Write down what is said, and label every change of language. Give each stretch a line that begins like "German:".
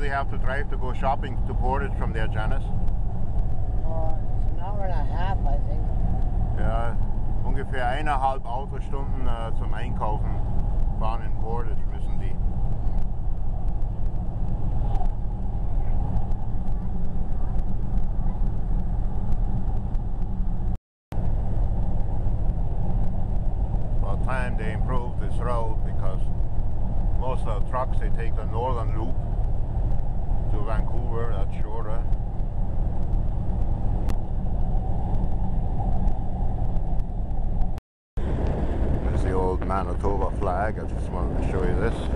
English: To drive to go shopping to Portage from there, Janice? It's an hour and a half, I think.
German: Yeah, ungefähr eineinhalb Autostunden zum Einkaufen fahren in Portage müssen die.
English: About time they improved this road, because most of the trucks, they take the northern loop to Vancouver, that's shorter. There's the old Manitoba flag, I just wanted to show you this.